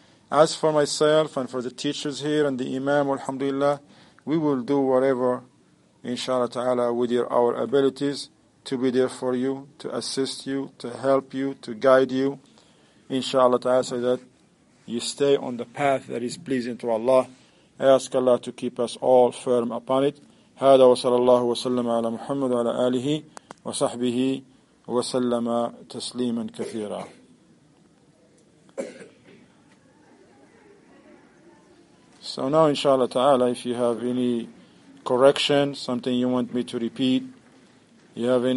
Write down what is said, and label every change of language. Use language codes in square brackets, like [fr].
[en] As for myself and for the teachers here and the imam, alhamdulillah, we will do whatever, inshallah ta'ala, with our abilities to be there for you, to assist you, to help you, to guide you, inshallah ta'ala, so that you stay on the path that is pleasing to Allah. I ask Allah to keep us all firm upon it. [ar] هذا وصلى الله وسلم على محمد وعلى آله وصحبه وسلم تسليما كثيرا. [en] So now, inshallah ta'ala, if you have any correction, something you want me to repeat, you have any